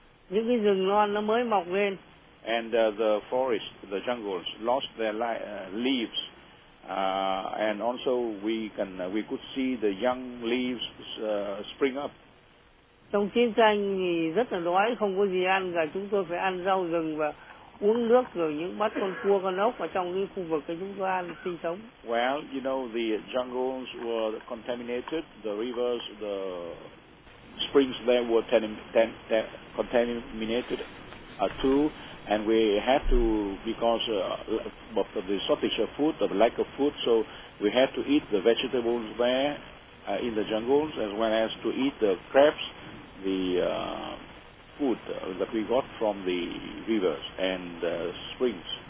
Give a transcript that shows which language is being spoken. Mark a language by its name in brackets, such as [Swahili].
[Vietnamese] Những cái rừng non nó mới mọc lên. [English] And the forest, the jungles, lost their leaves. And also we could see the young leaves spring up. [Vietnamese] Trong chiến tranh thì rất là đói, không có gì ăn cả, chúng tôi phải ăn rau rừng và uống nước rồi những bắt con cua con ốc ở trong cái khu vực chúng tôi ăn sinh sống. [English] Well, you know the jungles were contaminated, the rivers, the springs there were contaminated too, and we had to, because of the shortage of food, the lack of food, so we had to eat the vegetables there in the jungles, as well as to eat the crabs, the food that we got from the rivers and springs.